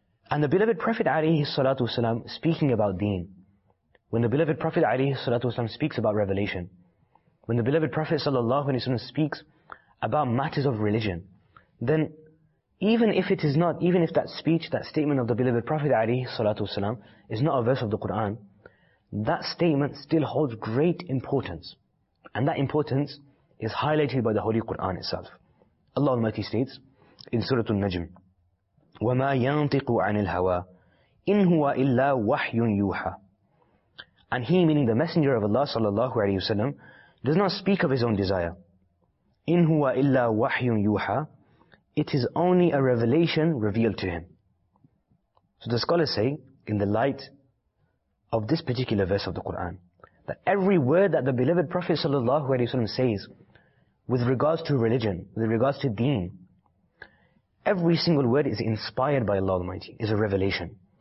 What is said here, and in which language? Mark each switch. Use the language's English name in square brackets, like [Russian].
[English] And the beloved Prophet alayhi salatu wasalam speaking about deen, when the beloved Prophet alayhi salatu wasalam speaks about revelation, when the beloved Prophet sallallahu alayhi wasalam speaks about matters of religion, then even if that statement of the beloved Prophet alayhi salatu wasalam is not a verse of the Quran, that statement still holds great importance. And that importance is highlighted by the Holy Quran itself. Allah Almighty states in Surah An-Najm, [Arabic] وَمَا يَنْطِقُ عَنِ الْهَوَىٰ إِنْ هُوَ إِلَّا وَحْيٌ يُوحَىٰ. [English] And he, meaning the Messenger of Allah sallallahu alayhi wasallam, does not speak of his own desire. [Arabic] إِنْ هُوَ إِلَّا وَحْيٌ يُوحَىٰ. [English] It is only a revelation revealed to him. So the scholars say, in the light of this particular verse of the Quran, that every word that the beloved Prophet sallallahu alayhi wasallam says with regards to religion, with regards to deen, every single word is inspired by Allah Almighty, is a revelation.